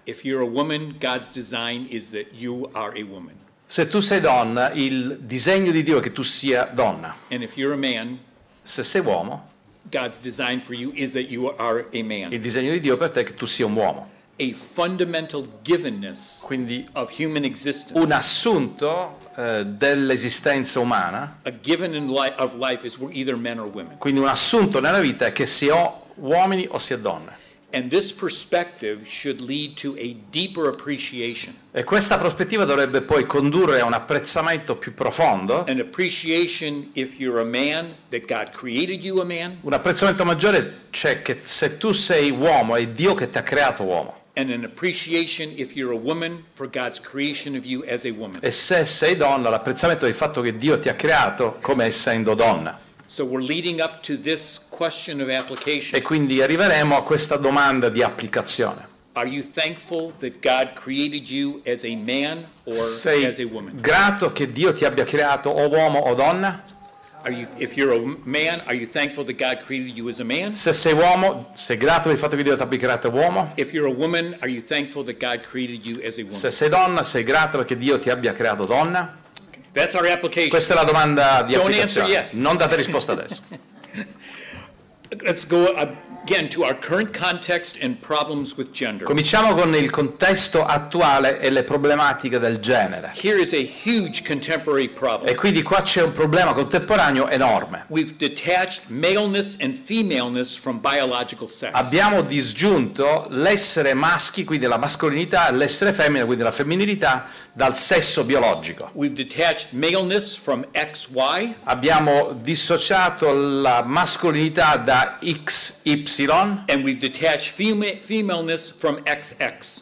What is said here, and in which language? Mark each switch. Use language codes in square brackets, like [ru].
[en] If you're a woman, God's design is that you are a woman. [it] Se tu sei donna, il disegno di Dio è che tu sia donna. [en] And if you're a man, [it] se sei uomo, [en] God's design for you is that you are a man. [it] Il disegno di Dio per te è che tu sia un uomo. [en] A fundamental givenness, [it] quindi, [en] of human existence. [it] Un assunto dell'esistenza umana. [en] A given in of life is we're either men or women. [it] Quindi un assunto nella vita è che si è uomini o si è donne. [en] And this perspective should lead to a deeper appreciation. [it] E questa prospettiva dovrebbe poi condurre a un apprezzamento più profondo. [en] An appreciation if you're a man that God created you a man. [it] Un apprezzamento maggiore c'è che se tu sei uomo è Dio che ti ha creato uomo. [en] And an appreciation if you're a woman for God's creation of you as a woman. [it] E se sei donna, l'apprezzamento del fatto che Dio ti ha creato come essendo donna. [en] So we're leading up to this question of application. [it] E quindi arriveremo a questa domanda di applicazione. [en] Are you thankful that God created you as a man or [it] sei [en] as a woman? [it] Grato che Dio ti abbia creato o uomo o donna? [en] Are you, if you're a man, are you thankful that God created you as a man? [it] Se sei uomo, sei grato per il fatto che Dio ti abbia creato uomo? [en] If you're a woman, are you thankful that God created you as a woman? [it] Se sei donna, sei grato perché Dio ti abbia creato donna? [en] That's our application. [it] Questa è la domanda di [en] Don't [it] applicazione. [en] Answer yet. [it] Non date risposta adesso. [en] Let's go again to our current context and problems with gender. [it] Cominciamo con il contesto attuale e le problematiche del genere. [en] Here is a huge contemporary problem. [it] E quindi qua c'è un problema contemporaneo enorme. [en] We've detached maleness and femaleness from biological sex. [it] Abbiamo disgiunto l'essere maschi, quindi la mascolinità, l'essere femmina, quindi la femminilità, dal sesso biologico. [en] We've detached maleness from XY. [it] Abbiamo dissociato la mascolinità da XY. [en] And we've detached femaleness from XX.